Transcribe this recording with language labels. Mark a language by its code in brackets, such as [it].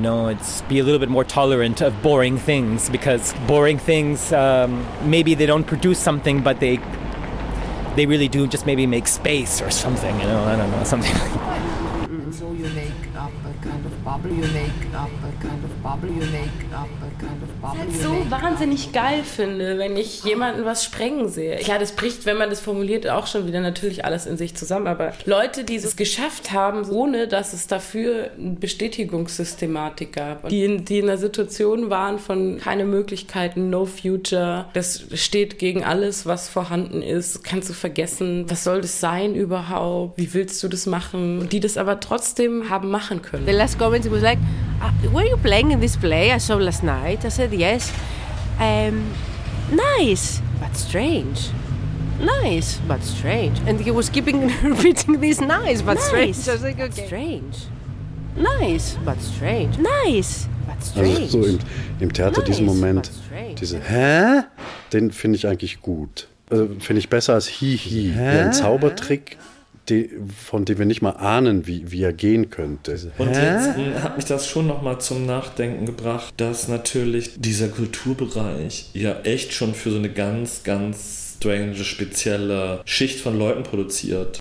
[en] You know, it's be a little bit more tolerant of boring things, because boring things maybe they don't produce something, but they really do just maybe make space or something. You know, I don't know, something. So you make up a kind of bubble. You make up a kind of bubble. You make up. [de] Was ich so wahnsinnig geil finde, wenn ich jemanden was sprengen sehe. Ja, das bricht, wenn man das formuliert, auch schon wieder natürlich alles in sich zusammen. Aber Leute, die es geschafft haben, ohne dass es dafür eine Bestätigungssystematik gab, die in einer Situation waren von keine Möglichkeiten, no future, das steht gegen alles, was vorhanden ist, kannst du vergessen, was soll das sein überhaupt, wie willst du das machen, die das aber trotzdem haben machen können. [en] The last comment was like, were you playing in this play I saw last night? I said yes. Nice, but strange. Nice, but strange. And he was keeping repeating this nice, but nice, strange. So I was like, okay. Strange. Nice, but strange. Nice, but strange. [de] Also so im Theater nice, diesen Moment, diese Hä? Den finde ich eigentlich gut. Also finde ich besser als Hihi. Hä? Ja, ein Zaubertrick. Von dem wir nicht mal ahnen, wie er gehen könnte. Und jetzt hat mich das schon nochmal zum Nachdenken gebracht, dass natürlich dieser Kulturbereich ja echt schon für so eine ganz, ganz strange, spezielle Schicht von Leuten produziert.